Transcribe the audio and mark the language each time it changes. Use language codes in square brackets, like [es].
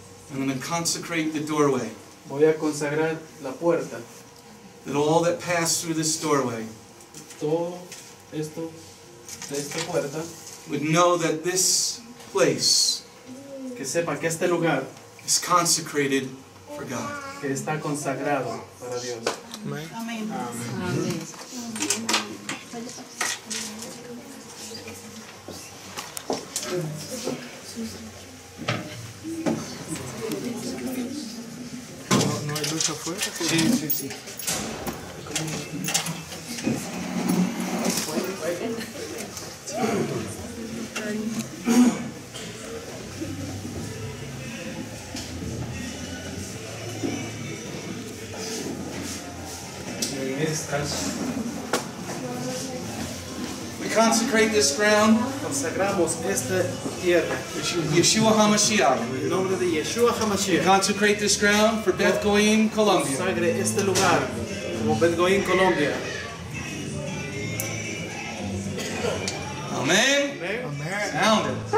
[en] I'm going to consecrate the doorway. [es] Voy a consagrar la puerta. [en] That all that pass through this doorway. [es] Todo esto de esta puerta. [en] Would know that this place. [es] Que sepa que este lugar. [en] Is consecrated for God. [es] Que está consagrado para Dios. [en] Amen. Amen. Amen. Amen. [es] No hay luz afuera. Sí, sí, sí. [en] Consecrate this ground. [es] Consagramos esta tierra. [he] Yeshua HaMashiach. [es] En nombre de Yeshua HaMashiach. [en] We consecrate this ground for Beth Goyim, Colombia. [es] Consagre este lugar como Beth Goyim, Colombia. [en] Amen. Amen. Sound it.